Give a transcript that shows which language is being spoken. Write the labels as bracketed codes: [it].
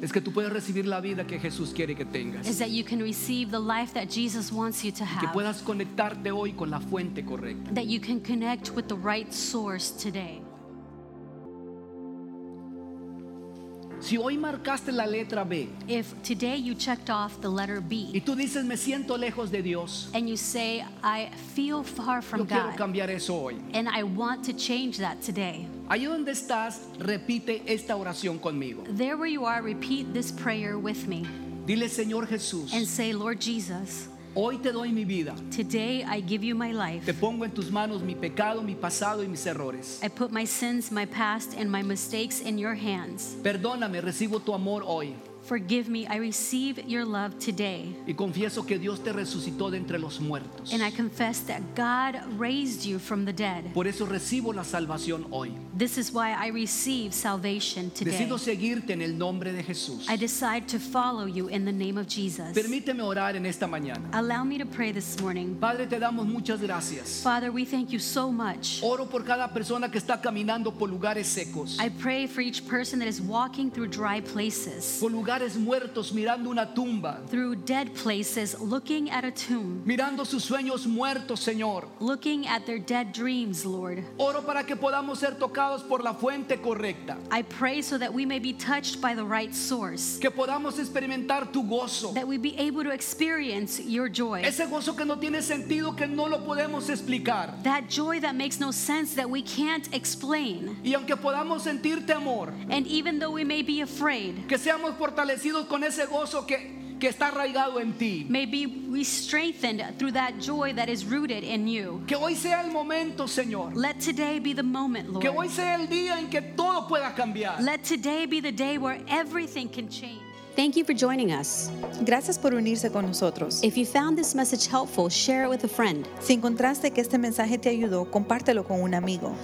[es] Es que tú puedas recibir la vida que Jesús quiere que tengas. [en] Is that you can receive the life that Jesus wants you to have. [es] Y que puedas conectarte hoy con la fuente correcta. [en] That you can connect with the right source today. [es] Si hoy marcaste la letra B, [en] if today you checked off the letter B, [es] y tú dices, me siento lejos de Dios, [en] and you say, I feel far from [es] yo quiero [en] God, [es] cambiar eso hoy, [en] and I want to change that today, [es] ahí donde estás, repite esta oración conmigo. [en] There where you are, repeat this prayer with me. [es] Dile, Señor Jesús, [en] and say, Lord Jesus, [es] hoy te doy mi vida. [en] Today I give you my life. [es] Te pongo en tus manos mi pecado, mi pasado y mis errores. [en] I put my sins, my past, and my mistakes in your hands. [es] Perdóname, recibo tu amor hoy. [en] Forgive me, I receive your love today. [es] Y confieso que Dios te resucitó de entre los muertos. [en] And I confess that God raised you from the dead. [es] Por eso recibo la salvación hoy. [en] This is why I receive salvation today. [es] Decido seguirte en el nombre de Jesús. [en] I decide to follow you in the name of Jesus. [es] Permíteme orar en esta mañana. [en] Allow me to pray this morning. [es] Padre, te damos muchas gracias. [en] Father, we thank you so much. [es] Oro por cada persona que está caminando por lugares secos. [en] I pray for each person that is walking through dry places. [es] Muertos mirando una tumba. [en] Through dead places, looking at a tomb. [es] Mirando sus sueños muertos, Señor. [en] Looking at their dead dreams, Lord. [es] Oro para que podamos ser tocados por la fuente correcta. [en] I pray so that we may be touched by the right source. [es] Que podamos experimentar tu gozo. [en] That we be able to experience your joy. [es] Ese gozo que no tiene sentido, que no lo podemos explicar. [en] That joy that makes no sense, that we can't explain. [es] Y aunque podamos sentir temor. [en] And even though we may be afraid. [es] Que seamos fortalecidos con ese gozo que está arraigado en ti. [en] May be we strengthened through that joy that is rooted in you. [es] Que hoy sea el momento, Señor. [en] Let today be the moment, Lord. [es] Que hoy sea el día en que todo pueda cambiar. [en] Let today be the day where everything can change. Thank you for joining us. [es] Gracias por unirse con nosotros. [en] If you found this message helpful, share it with a friend. [es] Si encontraste que este mensaje te ayudó, compártelo con un amigo.